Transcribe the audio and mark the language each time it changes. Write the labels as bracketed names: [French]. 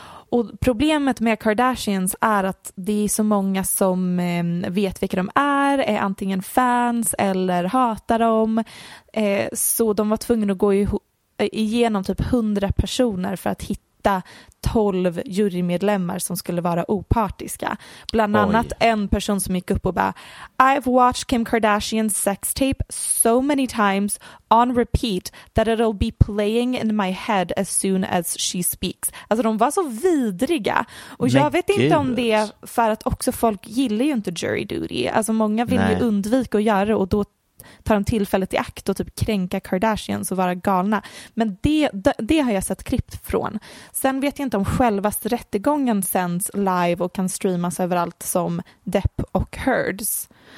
[Swedish] Och problemet med Kardashians är att det är så många som vet vilka de är antingen fans eller hatar dem. Så de var tvungna att gå igenom typ 100 personer för att hitta 12 jurymedlemmar som skulle vara opartiska. Bland annat en person som gick upp och bara [English] I've watched Kim Kardashian's sex tape so many times on repeat that it'll be playing in my head as soon as she speaks. [Swedish] Alltså de var så vidriga. Och jag vet inte om det är för att också folk gillar ju inte jury duty. Alltså många vill ju undvika att göra, och då tar de tillfället i akt och typ kränka Kardashians och vara galna. Men det har jag sett klippt från. Sen vet jag inte om själva rättegången sänds live och kan streamas överallt som Depp och Heards.